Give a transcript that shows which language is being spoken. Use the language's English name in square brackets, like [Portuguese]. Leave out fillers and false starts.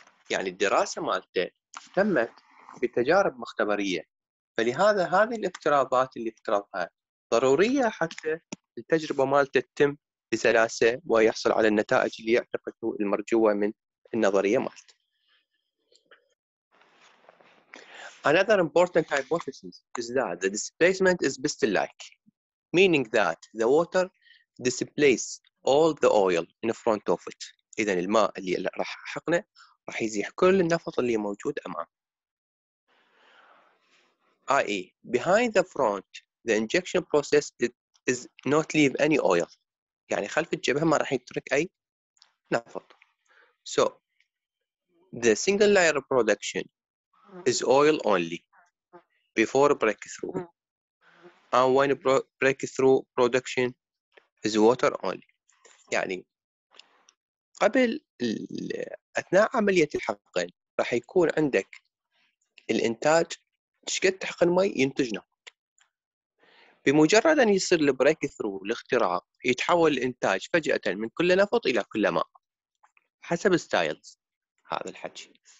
[Arabic] يعني الدراسة مالته تمت بتجارب مختبرية، فلهذا هذه الافتراضات اللي افترضها ضرورية حتى التجربة مالته تتم بسلاسة ويحصل على النتائج اللي يعتقد المرجوة من النظرية مالته. [English] Another important hypothesis is that the displacement is piston-like, meaning that the water displaces all the oil in front of it. [Arabic] إذا الماء اللي راح حقنه راح يزيح كل النفط اللي موجود أمامه. [English] I.e. behind the front, the injection process is not leave any oil. [Arabic] يعني خلف الجبهة ما راح يترك أي نفط. [English] So the single layer production is oil only before breakthrough, and when breakthrough production is water only. [Arabic] يعني قبل أثناء عملية الحقن راح يكون عندك الإنتاج شقد تحقن مي ينتج نفط. بمجرد أن يصير breakthrough الاختراق يتحول الإنتاج فجأة من كل نفط إلى كل ماء حسب ستايلز هذا الحكي.